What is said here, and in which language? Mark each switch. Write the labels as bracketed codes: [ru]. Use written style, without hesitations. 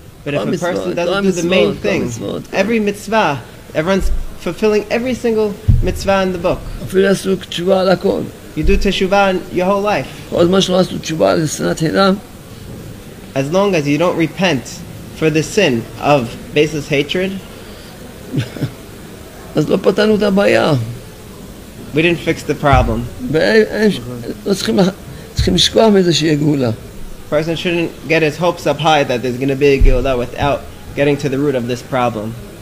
[en] But if a person doesn't do the main thing, every mitzvah, everyone's fulfilling every single mitzvah in the book. [he] אפילו עשו תשובה על הכל. [en] You do teshuvah your whole life. [he] עוד מה שלא עשו תשובה על שנאת חינם. [en] As long as you don't repent for the sin of baseless hatred, [he] אז לא פתרנו את הבעיה. [en] We didn't fix the problem. [he] לא צריכים לשכוח מזה שיהיה גאולה. [en] person shouldn't get his hopes up high that there's going to be a Geula without getting to the root of this problem.